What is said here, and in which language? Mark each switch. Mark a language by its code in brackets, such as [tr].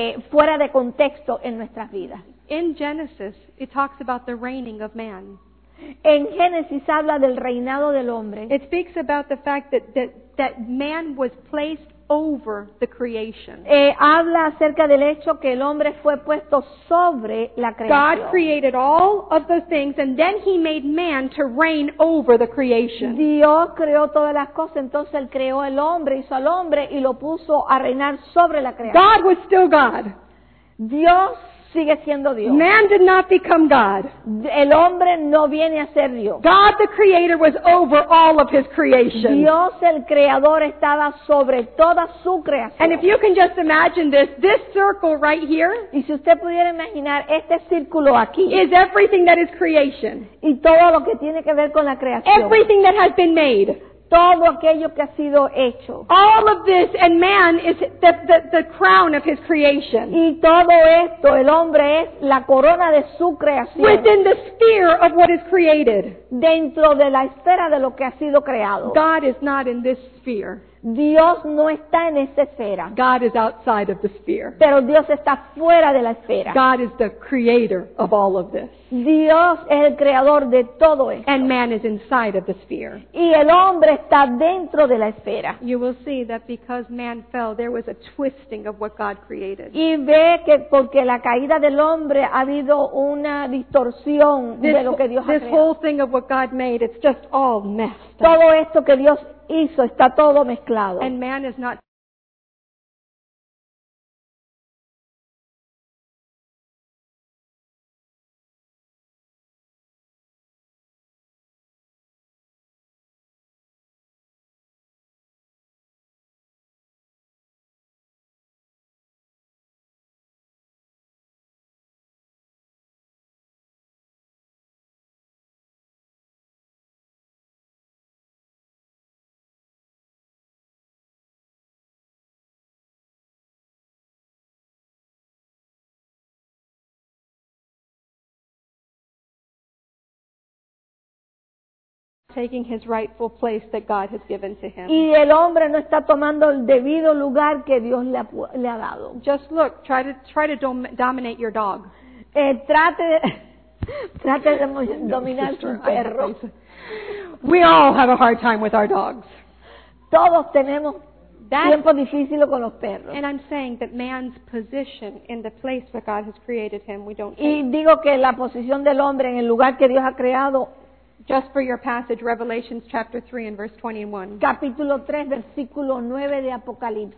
[es] Fuera de contexto en nuestras vidas. [en] In Genesis, it talks about the reigning of man. [es] En Génesis habla del reinado del hombre. [en] It speaks about the fact that man was placed over the creation. [es] Habla acerca del hecho que el hombre fue puesto sobre la creación. [en] God created all of the things and then he made man to reign over the creation. [es] Dios creó todas las cosas, entonces él creó el hombre, hizo al hombre y lo puso a reinar sobre la creación. [en] God was still God. [es] Dios sigue siendo Dios. [en] Man did not become God. [es] El hombre no viene a ser Dios. [en] God the Creator was over all of His creation. [es] Dios el Creador estaba sobre toda su creación. [en] And if you can just imagine this circle right here, [es] y si usted pudiera imaginar este círculo aquí, [en] is everything that is creation. [es] Y todo lo que tiene que ver con la creación. [en] Everything that has been made. [es] Todo aquello que ha sido hecho. [en] All of this and man is the crown of his creation. [es] Y todo esto, el hombre es la corona de su creación. [en] Within the sphere of what is created. [es] Dentro de la esfera de lo que ha sido creado. [en] God is not in this sphere. [es] Dios no está en esa esfera. [en] God is outside of the sphere. [es] Pero Dios está fuera de la esfera. [en] God is the creator of all of this. [es] Dios es el creador de todo esto. [en] And man is inside of the sphere. [es] Y el hombre está dentro de la esfera. [en] You will see that because man fell, there was a twisting of what God created. [es] Y ve que porque la caída del hombre ha habido una distorsión [en] this, [es] de lo que Dios ha creado. [en] This whole thing of what God made, it's just all messed up. [es] Todo esto que Dios hizo, está todo mezclado. [en] And man is not. taking his rightful place that God has given to him. [es] Y el hombre no está tomando el debido lugar que Dios le ha dado. [en] Just look, try to dominate your dog. [es] Trate de dominar su perro. [en] We all have a hard time with our dogs. [es] Todos tenemos tiempo difícil con los perros. [en] And I'm saying that man's position in the place where God has created him, we don't. [es] Y digo que la posición del hombre en el lugar que Dios ha creado. [en] Just for your passage, Revelation chapter 3 and verse 21. [es] Capítulo 3, versículo 9 de Apocalipsis.